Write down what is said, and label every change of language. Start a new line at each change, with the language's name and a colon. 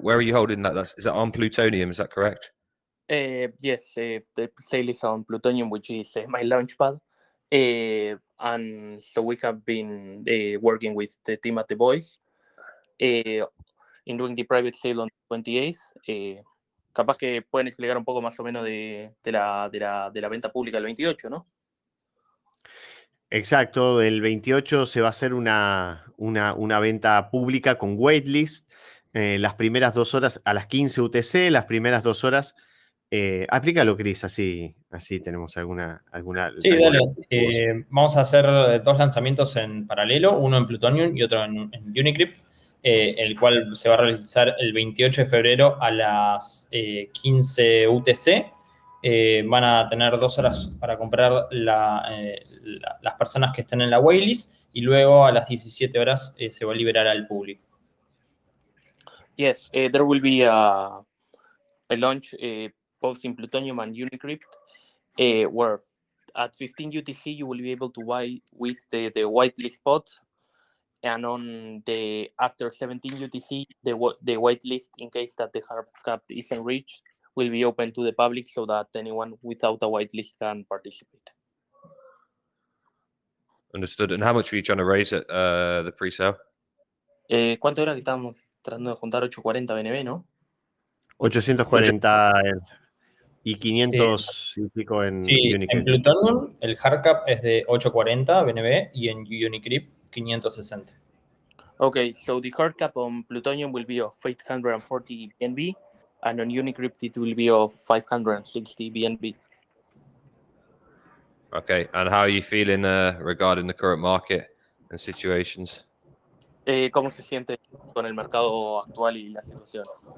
English: Where are you holding that? Is that on Plutonium, is that correct? The sale is on Plutonium, which is my launchpad. And so we have been working with the team at The Voice in doing the private sale on the 28th.
Spanish: Capaz que pueden explicar un poco más o menos de la venta pública el 28, ¿no? Exacto, el 28 se va a hacer una venta pública con waitlist. Las primeras 2 horas a las 15 UTC, las primeras 2 horas. Aplícalo, Chris, así tenemos alguna. Sí, dale. Vamos a hacer 2 lanzamientos en paralelo, uno en Plutonium y otro en Unicrypt, el cual se va a realizar el 28 de febrero a las 15 UTC. Van a tener 2 horas para comprar las personas que estén en la waitlist y luego a las 17 horas se va a liberar al público.
English: Yes, there will be a launch both in Plutonium and Unicrypt, where at 15 UTC you will be able to buy with the waitlist spot, and on the after 17 UTC the waitlist, in case that the hard cap isn't reached, will be open to the public so that anyone without a whitelist can participate. Understood. And how much are you trying to raise at the pre-sale?
Spanish: ¿Cuánto era que estábamos tratando de juntar? 840 BNB, ¿no? 840 y 500 y pico en Unicrypt. En Plutonium el hard cap es de 840 BNB y en Unicrypt 560.
English: Okay, so the hard cap on Plutonium will be of 840 BNB. And on Unicrypt, it will be of 560 BNB. Okay, and how are you feeling regarding the current market and situations?
Spanish: ¿Cómo se siente con el mercado actual y las situaciones?